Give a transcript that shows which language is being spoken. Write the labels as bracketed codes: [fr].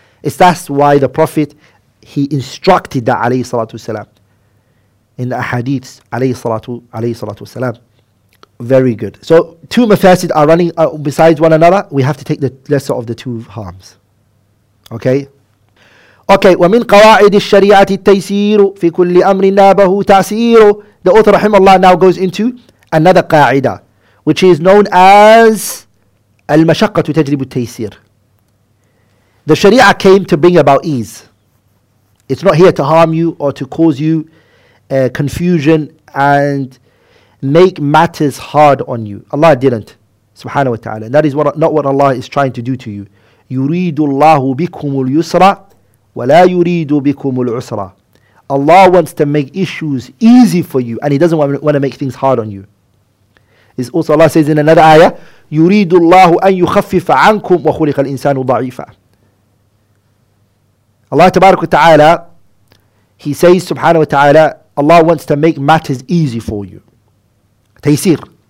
[en] It's that's why the Prophet, he instructed that alayhi salatu wasalam in the ahadith alayhi salatu wasalam. Very good. So two mafasid are running besides one another. We have to take the lesser of the two harms. Okay. [ar] ومن قواعد الشريعة التيسير في كل أمر نابه تأسير. [en] The author rahimahullah now goes into another qa'ida, which is known as [ar] المشقة تجلب التيسير. [en] The Sharia came to bring about ease. It's not here to harm you or to cause you confusion and make matters hard on you. Allah didn't, subhanahu wa ta'ala. That is not what Allah is trying to do to you. [ar] يريد الله بكم اليسرى ولا يريد بكم العسرى. [en] Allah wants to make issues easy for you, and He doesn't want to make things hard on you. It's also Allah says in another ayah, [ar] يريد الله أن يخفف عنكم وخلق الإنسان ضعيفا. [en] Allah تبارك وتعالى, He says subhanahu wa ta'ala, Allah wants to make matters easy for you. Taysir.